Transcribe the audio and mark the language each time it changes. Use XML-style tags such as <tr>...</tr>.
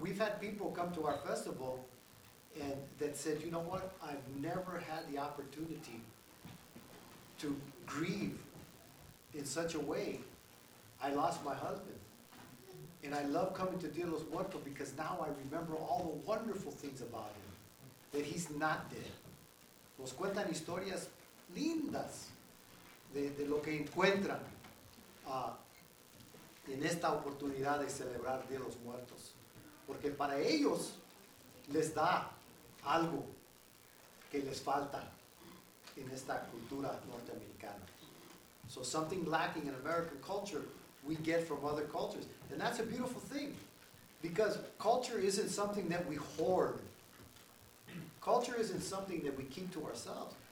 <en>We've had people come to our festival and that said, you know what, I've never had the opportunity to grieve in such a way. I lost my husband. And I love coming to Dia de los Muertos because now I remember all the wonderful things about him, that he's not dead.</en> <es>Nos cuentan historias lindas de lo que encuentran en esta oportunidad de celebrar Dia de los Muertos. Porque para ellos les da algo que les falta en esta cultura norteamericana.</es> <en>So something lacking in American culture we get from other cultures. And that's a beautiful thing, because culture isn't something that we hoard. Culture isn't something that we keep to ourselves.</en>